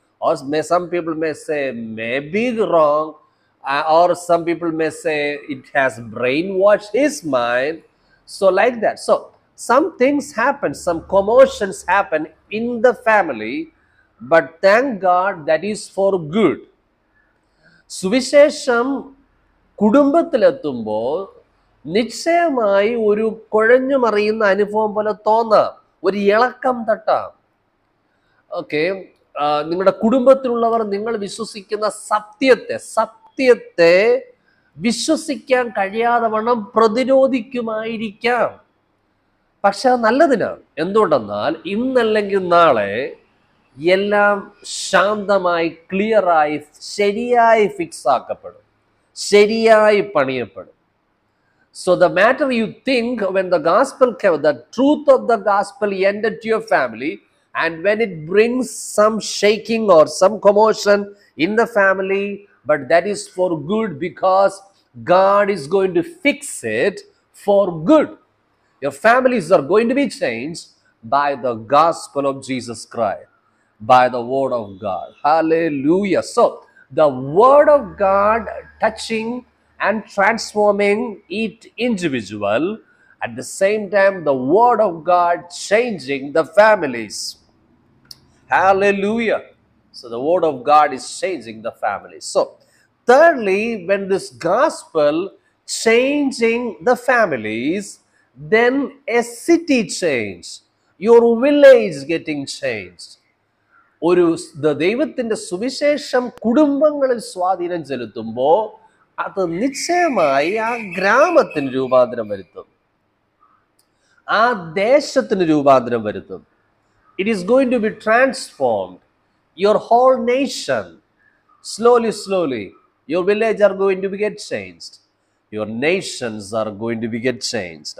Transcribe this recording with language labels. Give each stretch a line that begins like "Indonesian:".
English: Or some people may say maybe wrong, or some people may say it has brainwashed his mind, so like that. So some things happen, some commotions happen in the family, but thank God that is for good.
Malayalam: സുവിശേഷം കുടുംബത്തിലെത്തുമ്പോൾ നിശ്ചയമായി ഒരു കുഴഞ്ഞുമറിയുന്ന അനുഭവം പോലെ തോന്നാം, ഒരു ഇളക്കം തട്ടാം. Okay, നിങ്ങളുടെ കുടുംബത്തിലുള്ളവർ നിങ്ങൾ വിശ്വസിക്കുന്ന സത്യത്തെ വിശ്വസിക്കാൻ കഴിയാതെ വണ്ണം പ്രതിരോധിക്കുമായിരിക്കാം. പക്ഷെ അത് നല്ലതിനാണ്. എന്തുകൊണ്ടെന്നാൽ ഇന്നല്ലെങ്കിൽ നാളെ എല്ലാം ശാന്തമായി, ക്ലിയറായി, ശരിയായി ഫിക്സ് ആക്കപ്പെടും, ശരിയായി പണിയപ്പെടും.
English: So the matter you think when the gospel come, the truth of the gospel enter to your family. And when it brings some shaking or some commotion in the family, but that is for good, because God is going to fix it for good. Your families are going to be changed by the gospel of Jesus Christ, by the word of God. Hallelujah. So the word of God touching and transforming each individual, at the same time the word of God changing the families. Hallelujah. So the word of God is changing the family. So thirdly, when this gospel changing the families, then a city change, your village getting changed.
Malayalam: ഒരു ദൈവത്തിന്റെ സുവിശേഷം കുടുംബങ്ങളിൽ സ്വാധീനം ചെലുത്തുമ്പോൾ അത് നിശ്ചയമായി ആ ഗ്രാമത്തിന് രൂപാന്തരം വരുത്തും, ആ ദേശത്തിന് രൂപാന്തരം വരുത്തും.
English: It is going to be transformed. Your whole nation, slowly, your village are going to be get changed. Your nations are going to be get changed.